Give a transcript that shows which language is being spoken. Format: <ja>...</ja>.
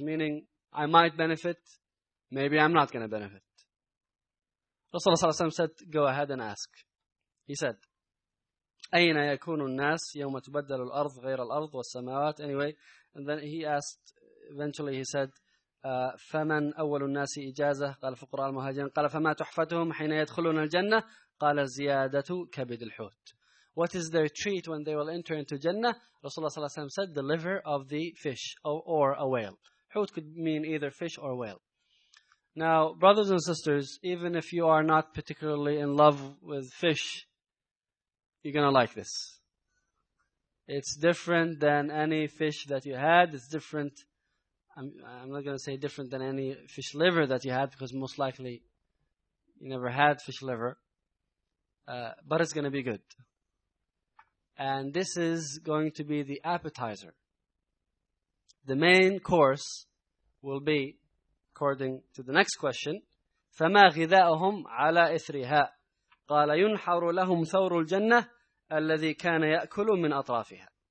<en>Meaning, I might benefit, maybe I'm not going to benefit. Rasulullah sallallahu alayhi wa sallam said, go ahead and ask. He said,</en> <ar>أَيْنَ يَكُونُ النَّاسِ يَوْمَ تُبَدَّلُ الْأَرْضِ غَيْرَ الْأَرْضِ وَالسَّمَاوَاتِ.</ar> <en>Anyway, and then he asked, eventually he said,</en> <ar>فمن أول الناس إجازة؟ قال فقراء المهاجرين. قال فما تحفتهم حين يدخلون الجنة؟ قال زيادة كبد الحوت.</ar> <en>What is their treat when they will enter into Jannah? Rasulullah صلى الله عليه وسلم said, the liver of the fish or a whale. Hoot could mean either fish or whale. Now, brothers and sisters, even if you are not particularly in love with fish, you're going to like this. It's different than any fish that you had. It's different. I'm not going to say different than any fish liver that you had, because most likely you never had fish liver. But it's going to be good. And this is going to be the appetizer. The main course will be, according to the next question,</en> <ar>فَمَا غِذَاءُهُمْ عَلَىٰ إِثْرِهَا قَالَ يُنْحَرُ لَهُمْ ثَوْرُ الْجَنَّةِ الَّذِي كَانَ يَأْكُلُ مِنْ أَطْرَافِهَا.</ar>